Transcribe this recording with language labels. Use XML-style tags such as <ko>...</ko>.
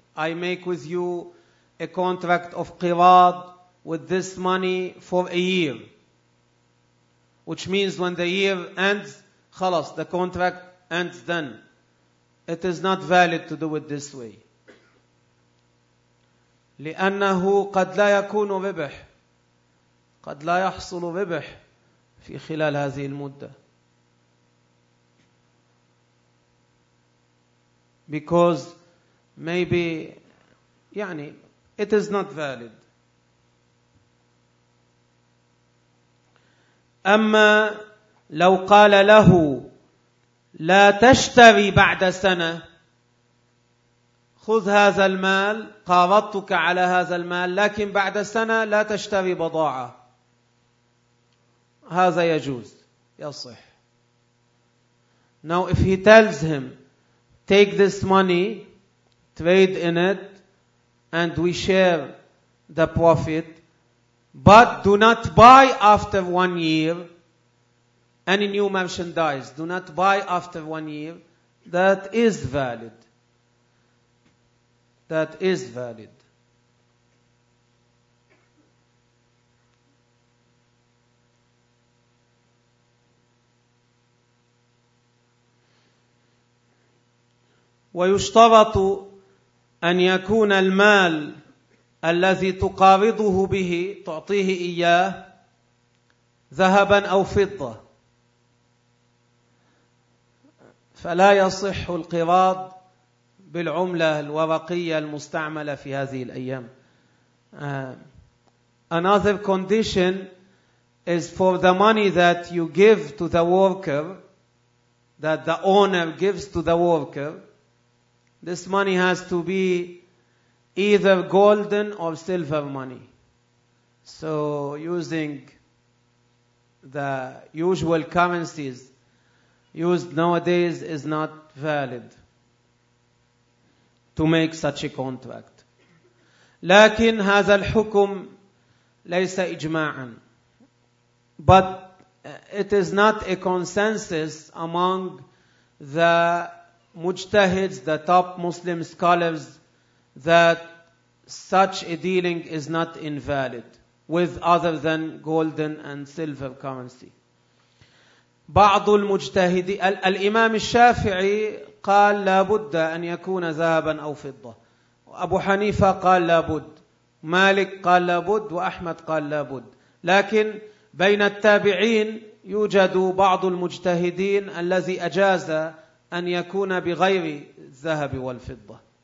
<en>I make with you a contract of qirad with this money for a year, which means when the year ends,</en> <ar>خلاص,</ar> <en>the contract ends then. It is not valid to do it this way.</en> <ar>لأنه قد لا يكون ربح, قد لا يحصل ربح في خلال هذه المدة.</ar> <en>Because maybe,</en> <ar>يعني,</ar> <en>it is not valid.</en> <ar>أما لو قال له لا تشتري بعد سنة, خذ هذا المال, قارضتك على هذا المال, لكن بعد سنة لا تشتري بضاعة, هذا يجوز, يصح.</ar> <en>Now if he tells him, take this money, trade in it, and we share the profit, but do not buy after 1 year any new merchandise. Do not buy after 1 year. That is valid. That is valid.</en> <ar>ويشترط أن يكون المال الذي تقارضه به, تعطيه إياه, ذهبا أو فضة. فلا يصح القراض بالعملة الورقية المستعملة في هذه الأيام.</ar> <en>Another condition is for the money that you give to the worker, that the owner gives to the worker, this money has to be either golden or silver money. So using the usual currencies used nowadays is not valid to make such a contract.</en> <ar>لكن هذا الحكم ليس إجماعا.</ar> <en>But it is not a consensus among the mujtahids, the top Muslim scholars, that such a dealing is not invalid with other than golden and silver currency.</en> <ar>بعض المجتهدين الإمام الشافعي قال لا بد أن يكون ذهبا أو فضة. أبو حنيفة قال لا بد. مالك قال لا بد وأحمد قال لا بد. لكن بين التابعين يوجد بعض المجتهدين الذي أجاز أن يكون بغير الذهب والفضة.</ar>